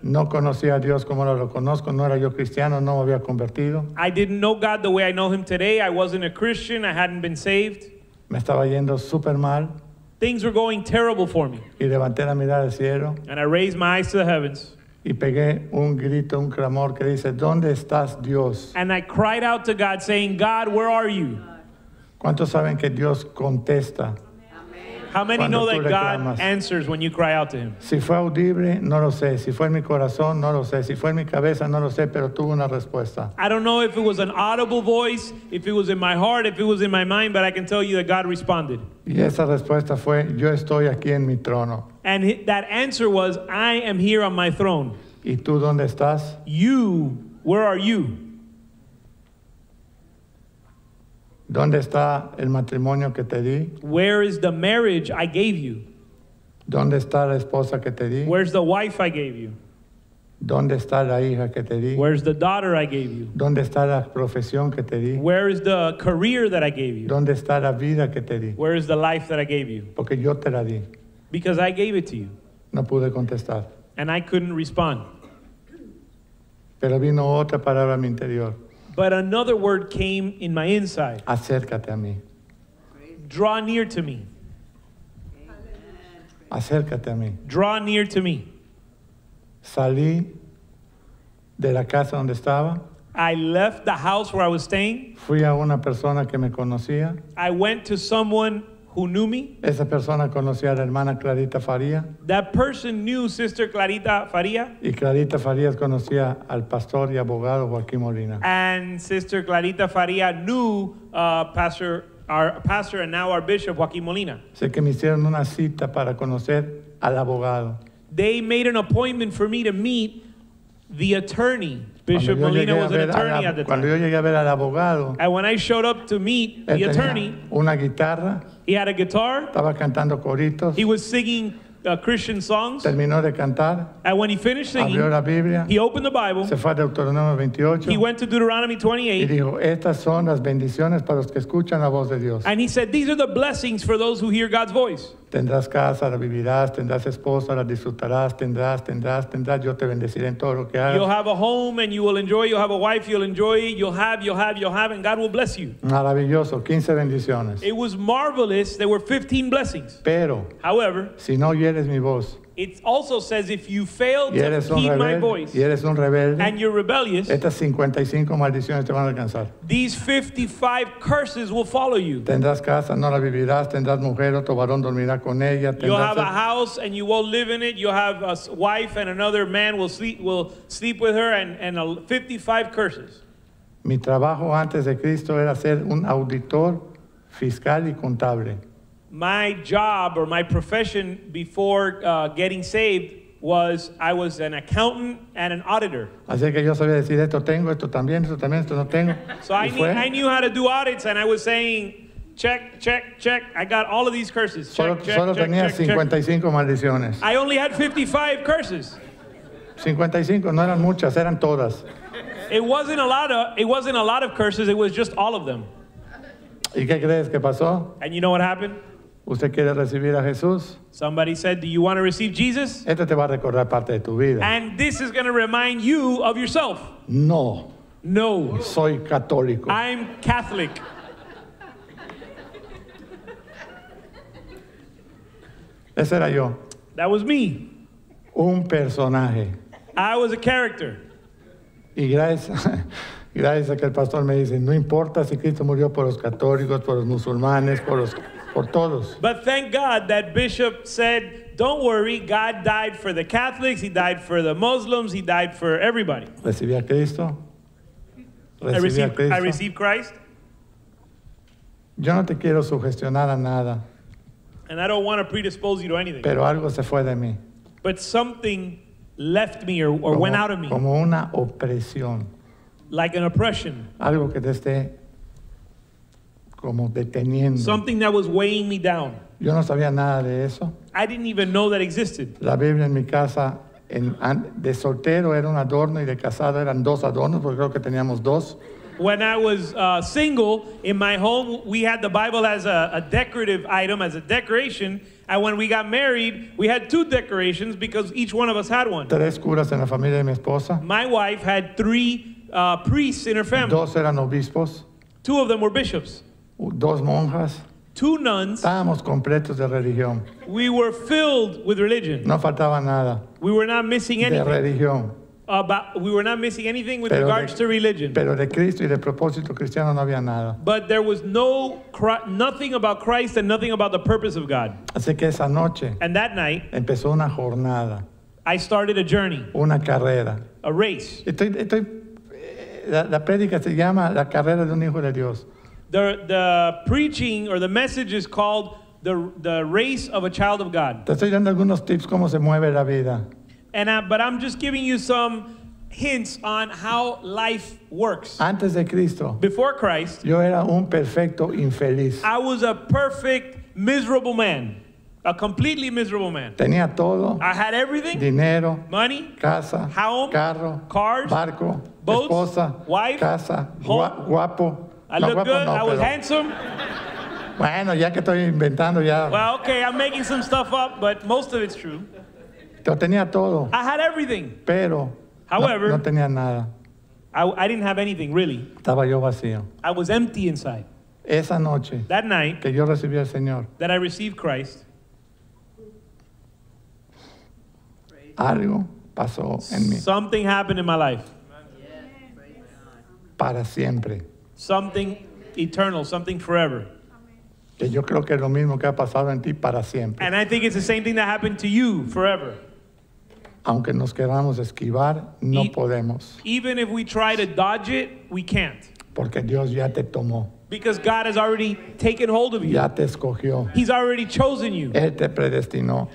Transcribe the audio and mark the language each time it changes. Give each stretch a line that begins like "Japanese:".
Spanish: No conocía a Dios como ahora lo conozco. No era yo cristiano, no me había convertido.
English: I didn't know God the way I know him today. I wasn't a Christian. I hadn't been saved.
Spanish: Me estaba yendo super mal.
English: Things were going terrible for me.
Spanish: Y levanté la mirada al cielo.
English: And I raised my eyes to the heavens.
Spanish: Y pegué un grito, un clamor que dice, ¿dónde estás, Dios?
English: And I cried out to God saying, God, where are you?
Spanish: ¿Cuántos saben que Dios contesta?
English: How many know that God answers when you cry out to him?
Spanish: Si fue audible, no lo sé. Si fue en mi corazón, no lo sé. Si fue en mi cabeza, no lo sé, pero tuvo una respuesta.
English: I don't know if it was an audible voice, if it was in my heart, if it was in my mind, but I can tell you that God responded.
Spanish: Y esa respuesta fue, yo estoy aquí en mi trono.
English: And that answer was, I am here on my throne.
Spanish: ¿Y tú dónde estás?
English: You, where are you?
Spanish: ¿Dónde está el matrimonio que te di?
English: Where is the marriage I gave you?
Spanish: ¿Dónde está la esposa que te di?
English: Where's the wife I gave you?
Spanish: ¿Dónde está la hija que te di?
English: Where's the daughter I gave you?
Spanish: ¿Dónde está la profesión que te di?
English: Where is the career that I gave you?
Spanish: ¿Dónde está la vida que te di?
English: Where is the life that I gave you?
Spanish: Porque yo te la di.
English: Because I gave it to you.
Spanish: No pude contestar.
English: And I couldn't respond.
Spanish: Pero vino otra palabra a mi interior.
English: But another word came in my inside.
Spanish: Acércate a mí.
English: Draw near to me.
Spanish: Acércate a mí.
English: Draw near to me.
Spanish: Salí de la casa donde estaba.
English: I left the house where I was staying.
Spanish: Fui a una persona que me conocía.
English: I went to someone who knew me.
Spanish: Esa persona conocía a la hermana Clarita Faría.
English: That person knew Sister Clarita Faría.
Spanish: Y Clarita Faría conocía al pastor y abogado Joaquín Molina.
English: And Sister Clarita Faría knew our pastor and now our bishop Joaquín Molina.
Spanish: Sé que me hicieron una cita para conocer al abogado.
English: They made an appointment for me to meet the attorney. Bishop Molina was an attorney at the time.
Spanish: Cuando yo llegué a ver al abogado,
English: and when I showed up to meet the attorney,
Spanish: una guitarra,
English: he had a guitar.
Spanish: Estaba cantando coritos.
English: He was singing Christian songs.
Spanish: Terminó de cantar.
English: And when he finished singing,
Spanish: abrió la Biblia,
English: he opened the Bible.
Spanish: Se fue a Deuteronomio 28.
English: He went to Deuteronomy 28.
Spanish: Y dijo, estas son las bendiciones para los que escuchan la voz de Dios.
English: And he said, these are the blessings for those who hear God's voice.
Spanish: Tendrás casa, la vivirás, tendrás esposa, la disfrutarás, tendrás, yo te bendeciré en todo lo que hagas.
English: You'll have a home and you will enjoy, you'll have a wife, you'll enjoy, you'll have, and God will bless you.
Spanish: Maravilloso, 15 bendiciones.
English: It was marvelous, there were 15 blessings.
Spanish: Pero,
English: however,
Spanish: si no oyeres mi voz,
English: it also says if you fail to heed my voice,
Spanish: y eres un rebelde,
English: and you're rebellious,
Spanish: estas 55 maldiciones te van a alcanzar.
English: These 55 curses will follow you.
Spanish: Tendrás casa, no la vivirás. Tendrás mujer, otro varón dormirá con ella.
English: You'll have a house and you won't live in it. You'll have a wife and another man will sleep with her, and 55 curses.
Spanish: Mi trabajo antes de Cristo era ser un auditor fiscal y contable.
English: My job or my profession before getting saved was I was an accountant and an auditor.
Spanish: Así que yo sabía decir esto tengo, esto también, esto no tengo.
English: So I knew how to do audits, and I was saying, check. I got all of these curses.
Spanish: Solo tenía 55 maldiciones.
English: I only had 55 curses.
Spanish: 55 no eran muchas, eran todas.
English: It wasn't a lot of curses. It was just all of them.
Spanish: ¿Y qué crees que pasó?
English: And you know what happened?
Spanish: ¿Usted quiere recibir a Jesús?
English: Somebody said, do you want to receive Jesus?
Spanish: Este te va a recordar parte de tu vida.
English: And this is going to remind you of yourself.
Spanish: No.
English: No.
Spanish: Soy católico.
English: I'm Catholic.
Spanish: Ese era yo.
English: That was me.
Spanish: Un personaje.
English: I was a character.
Spanish: Y gracias a que el pastor me dice, no importa si Cristo murió por los católicos, por los musulmanes, por los... Por todos.
English: But thank God that Bishop said, don't worry, God died for the Catholics, he died for the Muslims, he died for everybody.
Spanish: Recibí a Cristo.
English: I received Christ.
Spanish: Yo no te quiero sugestionar a nada.
English: And I don't want to predispose you to anything.
Spanish: Pero algo se fue de mí.
English: But something left me or went out of me.
Spanish: Como una opresión.
English: Like an oppression.
Spanish: Algo que te esté... Como deteniendo.
English: Something that was weighing me down.
Spanish: Yo no sabía nada de eso.
English: I didn't even know that existed.
Spanish: La Biblia en mi casa, de soltero era un adorno y de casado eran dos adornos, porque creo que teníamos dos.
English: When I was single, in my home, we had the Bible as a decorative item, as a decoration. And when we got married, we had two decorations because each one of us had one.
Spanish: Tres curas en la familia de mi esposa.
English: My wife had three priests in her family.
Spanish: Dos eran obispos.
English: Two of them were bishops.
Spanish: Dos monjas.
English: Two nuns.
Spanish: Estábamos completos de religión.
English: We were filled with religion.
Spanish: No faltaba nada.
English: We were not missing anything.
Spanish: De religión.
English: About, we were not missing anything with pero regards
Spanish: de,
English: to religion.
Spanish: Pero de Cristo y de propósito cristiano no había nada.
English: But there was no nothing about Christ and nothing about the purpose of God.
Spanish: Así que esa noche,
English: and that night,
Spanish: empezó una jornada.
English: I started a journey.
Spanish: Una carrera.
English: A race.
Spanish: La prédica se llama La carrera de un hijo de Dios.
English: The preaching or the message is called the race of a child of God.
Spanish: Te estoy dando algunos tips cómo se mueve la vida.
English: But I'm just giving you some hints on how life works.
Spanish: Antes de Cristo.
English: Before Christ.
Spanish: Yo era un perfecto infeliz.
English: I was a perfect miserable man. A completely miserable man.
Spanish: Tenía todo.
English: I had everything.
Spanish: Dinero.
English: Money.
Spanish: Casa.
English: Home.
Spanish: Carro.
English: Cars.
Spanish: Barco.
English: Boats.
Spanish: Esposa.
English: Wife.
Spanish: Casa.
English: Home.
Spanish: Guapo.
English: I no, looked good. No, I was handsome.
Spanish: Bueno, ya que estoy inventando ya.
English: Well, okay, I'm making some stuff up, but most of it's true.
Spanish: Yo tenía todo.
English: I had everything.
Spanish: Pero,
English: however,
Spanish: no tenía nada.
English: I didn't have anything, really.
Spanish: Estaba yo vacío.
English: I was empty inside.
Spanish: Esa noche,
English: that night,
Spanish: que yo recibí al Señor,
English: that I received Christ,
Spanish: algo pasó en mí.
English: Something happened in my life.
Spanish: Para siempre.
English: Something eternal, something forever.
Spanish: Que yo creo que es lo mismo que ha pasado en ti para siempre.
English: And I think it's the same thing that happened to you forever.
Spanish: Aunque nos queramos esquivar, no podemos.
English: Even if we try to dodge it, we can't.
Spanish: Porque Dios ya te tomó.
English: Because God has already taken hold of you.
Spanish: Ya te escogió.
English: He's already chosen you.
Spanish: Él te predestinó.